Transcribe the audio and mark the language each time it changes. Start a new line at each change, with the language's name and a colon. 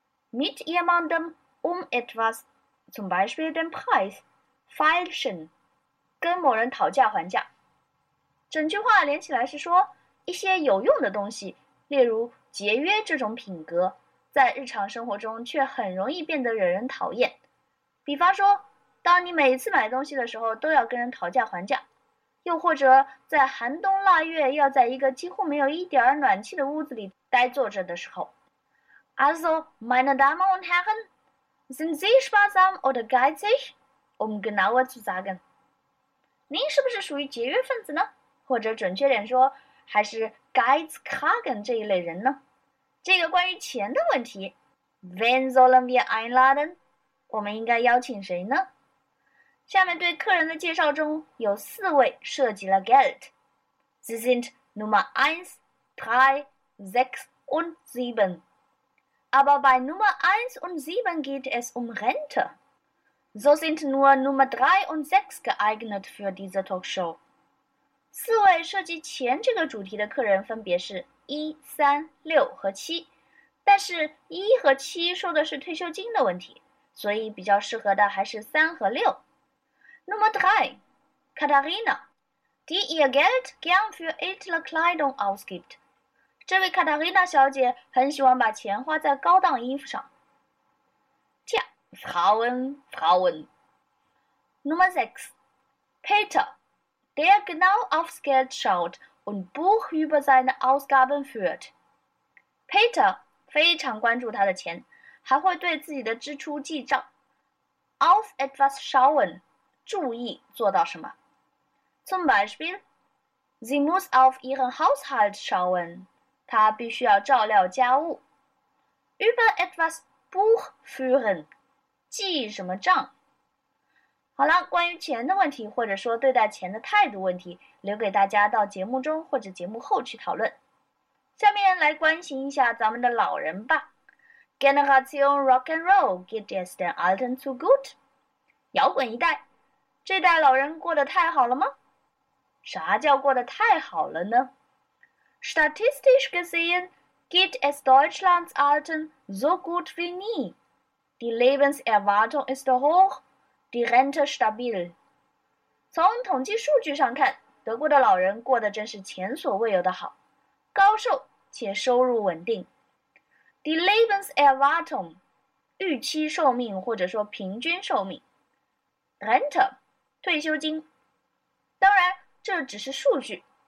German: Mit jemandem etwas, zum Beispiel den Preis, feilschen,
Chinese: 跟某人讨价还价。整句话连起来是说，一些有用的东西，例如节约这种品格，在日常生活中却很容易变得惹人讨厌。比方说，当你每次买东西的时候都要跟人讨价还价，又或者在寒冬腊月要在一个几乎没有一点儿暖气的屋子里呆坐着的时候。
German: Also, meine Damen und Herren, sind Sie sparsam oder geizig? Genauer zu sagen.
Chinese: 您是不是属于节约分子呢？或者准确点说，还是 Geizkragen 这一类人呢？这个关于钱的问题，
German: Wen sollen wir einladen?
Chinese: 我们应该邀请谁呢？下面对客人的介绍中有四位涉及了 Geld。
German: Sie sind Nummer 1, 3, 6 und 7. Aber bei Nummer 1 und 7 geht es Rente. So sind nur Nummer 3 und 6 geeignet für diese Talkshow.
Chinese: 四位涉及钱这个主题的客人分别是一、三、六和七，但是一和七说的是退休金的问题，所以比较适合的还是三和六。
German: Nummer 3, Katharina, die ihr Geld gern für edle Kleidung ausgibt.
Chinese: 这位 Katharina 小姐很喜欢把钱花在高档衣服上。
German: Tja, Frauen. Nummer 6, Peter, der genau aufs Geld schaut und Buch über seine Ausgaben führt.
Chinese: Peter 非常关注他的钱，还会对自己的支出记账。
German: Auf etwas schauen.
Chinese: 注意做到什么。
German: Zum Beispiel, sie muss auf ihren Haushalt schauen.
Chinese: 她必须要照料家务。
German: Über etwas Buch führen.
Chinese: 记什么账。好了，关于钱的问题或者说对待钱的态度问题，留给大家到节目中或者节目后去讨论。下面来关心一下咱们的老人吧。
German: Generation Rock and Roll geht es den Alten zu gut?
Chinese: 摇滚一代。这代老人过得太好了吗？啥叫过得太好了呢？
German: Statistisch gesehen geht es Deutschlands Alten so gut wie nie. Die Lebenserwartung ist hoch, die Rente stabil.
Chinese: 从统计数据上看，德国的老人过得真是前所未有的好，高寿且收入稳定。
German: Die Lebenserwartung
Chinese: 预期寿命或者说平均寿命。
German: Rente
Chinese: 退休金，当然这只是数据。